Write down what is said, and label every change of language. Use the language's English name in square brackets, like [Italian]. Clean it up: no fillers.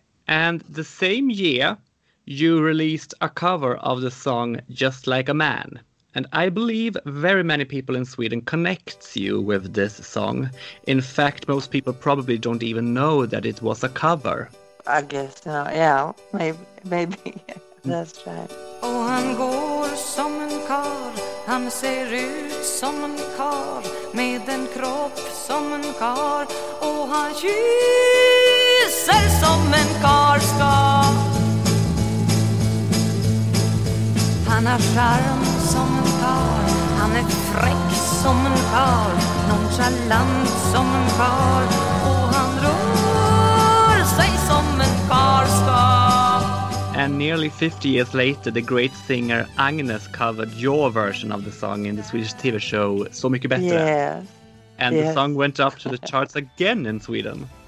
[English] And the same year, you released a cover of the song Just Like a Man. And I believe very many people in Sweden connects you with this song. In fact, most people probably don't even know that it was a cover. I guess not. Yeah, maybe. That's right. [Swedish] Och han går som en kar, han ser ut som en kar, med en kropp som en kar, och han kysser som en kar ska. Han har charm som en kar, han är fräck som en kar, nonchalant som en kar, och han rör sig som en kar ska. [English] And nearly 50 years later, the great singer Agnes covered your version of the song in the Swedish TV show Så Mycket Bättre. Yeah. And yes, the song went up to the charts again in Sweden.